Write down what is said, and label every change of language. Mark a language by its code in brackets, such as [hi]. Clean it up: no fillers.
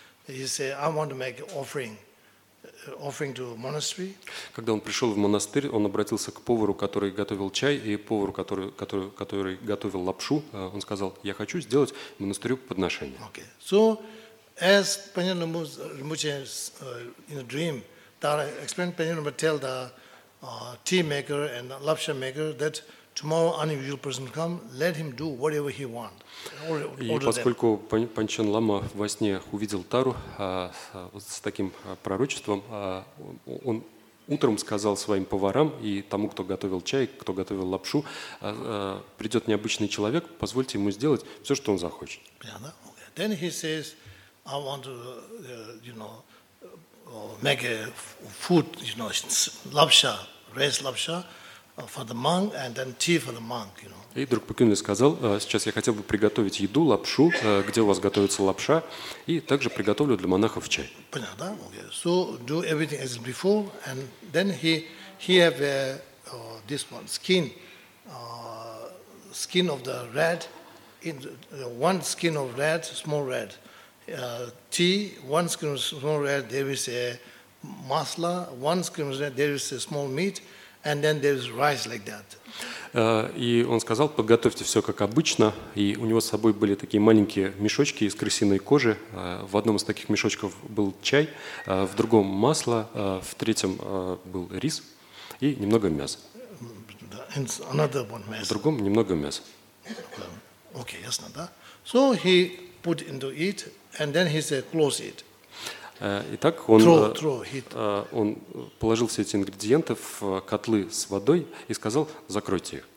[en] He said, I want to make offering. Offering to monastery. [ru] Когда он пришел в монастырь, он обратился к повару, который готовил чай, и повару, который готовил лапшу, он сказал, я хочу сделать монастырю подношение. [en] Okay. So, as Panyan Rinpoche in a dream, Dara explained Panyan Rinpoche tell the tea maker and lapsha maker that tomorrow unusual person come, let him do whatever he want. [ru] И поскольку Панчен Лама во сне увидел Тару с таким пророчеством, он утром сказал своим поварам и тому, кто готовил чай, кто готовил лапшу, придет необычный человек, позвольте ему сделать все, что он захочет. [en] Then he says, I want to, you know, make a food, you know, [ru] лапша, [en] rice лапша. For the monk and then tea for the monk, you know. [ru] И друг Пекюнли сказал, сейчас я хотел бы приготовить еду, лапшу, где у вас готовится лапша, и также приготовлю для монахов чай. Понятно, да? [en] Okay. So do everything as before, and then he have this one skin of the rat, in one skin of rat, small rat, tea, one skin of small rat, there is a masala, one skin of rat, there is a small meat. And then there's rice like that. [ru] И он сказал, подготовьте все как обычно. И у него с собой были такие маленькие мешочки из крысиной кожи. В одном из таких мешочков был чай, в другом масло, в третьем был рис и немного мяса. [en] And another one mess. [ru] В другом немного мяса. [en] Okay, [ru] ясно, да? [en] So he put into it, and then he said, close it. [ru] Итак, он положил все эти ингредиенты в котлы с водой и сказал, закройте их.